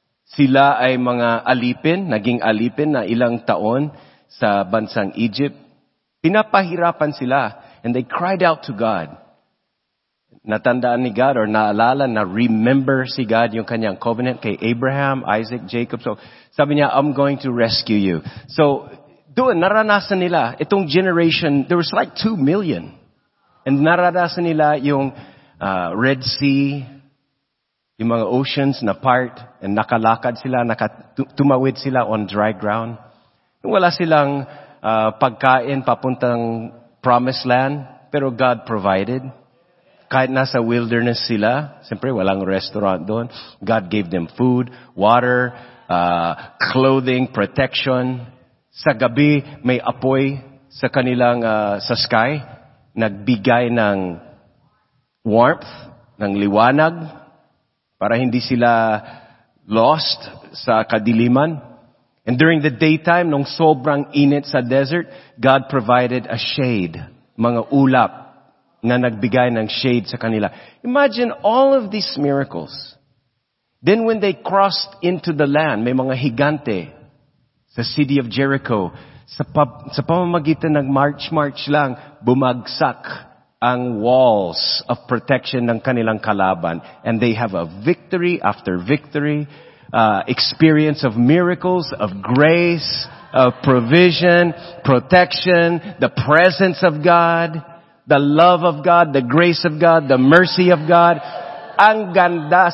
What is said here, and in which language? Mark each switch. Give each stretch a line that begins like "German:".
Filipino: Sila ay mga alipin, naging alipin na ilang taon sa bansang Egypt. Pinapahirapan sila
English: and they cried out to God.
Filipino: Natandaan ni God or naalala, na-remember si God yung kanyang covenant kay Abraham, Isaac, Jacob.
English: So
Filipino: sabi niya,
English: I'm going to rescue you.
Filipino: So doon, naranasan nila itong
English: generation, there was like 2 million.
Filipino: And naranasan nila yung Red Sea, yung mga oceans na part, and nakalakad sila, tumawid sila
English: on dry ground.
Filipino: Wala silang pagkain papuntang promised land, pero God provided. Kahit nasa wilderness sila, siyempre walang restaurant doon,
English: God gave them food, water, clothing, protection.
Filipino: Sa gabi, may apoy sa kanilang sa sky. Nagbigay ng warmth, ng liwanag, para hindi sila lost sa kadiliman.
English: And during the daytime,
Filipino: nung sobrang init sa
English: desert, God provided a shade,
Filipino: mga ulap na nagbigay ng shade sa kanila.
English: Imagine all of these miracles.
Filipino: Then when they crossed into the land, may mga higante sa city of Jericho. Sa pamamagitan ng march-march lang, bumagsak ang walls of protection ng kanilang kalaban.
English: And they have a victory after victory, experience of miracles, of grace, of provision, protection, the presence of God, the love of God, the grace of God, the mercy of God.
Filipino: Ang ganda.